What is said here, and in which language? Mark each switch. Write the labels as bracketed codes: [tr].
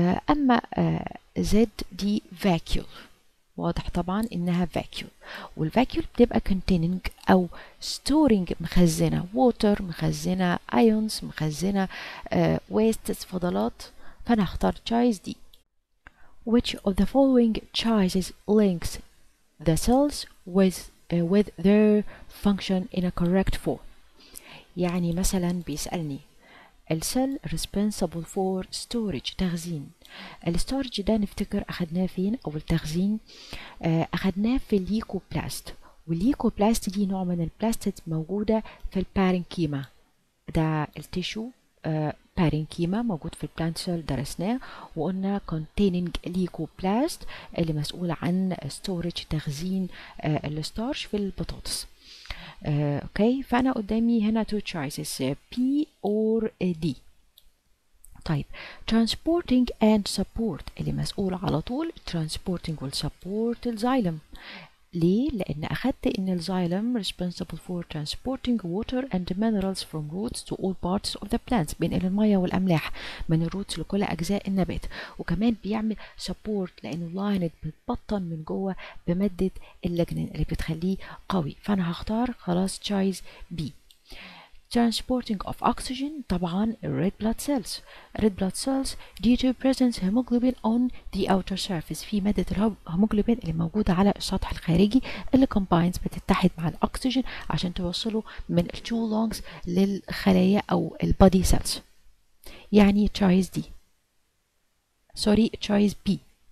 [ar] اما زد دي vacuole، واضح طبعا انها vacuole، والvacuole بتبقى containing او storing، مخزنة water، مخزنة ions، مخزنة wastes، فضلات. فانا اختار choice D. [en] Which of the following choices links the cells with their function in a correct form؟ [ar] يعني مثلا بيسألني ال [en] cell responsible for storage، [ar] تخزين. الستورج ده نفتكر أخدناه فين، أو التخزين أخدناه في الليكوبلاست، والليكوبلاست دي نوع من البلاستيد موجودة في البارينكيما، ده التشو بارينكيما موجود في البلانت سيل درسناه، وقلنا containing ليكوبلاست اللي مسؤول عن storage، تخزين الستورج في البطاطس. أوكي فأنا قدامي هنا two choices P or D. طيب transporting and support اللي مسؤول على طول transporting will support الزايلم. ليه؟ لأن أخدت إن الزايلم [en] responsible for transporting water and minerals from roots to all parts of the plants، [ar] بينقل المياه والأملاح من الروتس لكل أجزاء النبات، وكمان بيعمل support لأن اللايند بتبطن من جوه بمادة اللجنين اللي بتخليه قوي، فأنا هختار خلاص choice B. [en] Transporting of oxygen [ar] طبعا [en] red blood cells. Red blood cells due to presence hemoglobin on the outer surface، [ar] في مادة الهيموجلوبين اللي موجودة على السطح الخارجي اللي combines بتتحد مع الأكسجين عشان توصله من two lungs للخلايا أو body cells. يعني choice D. [en] Sorry choice B.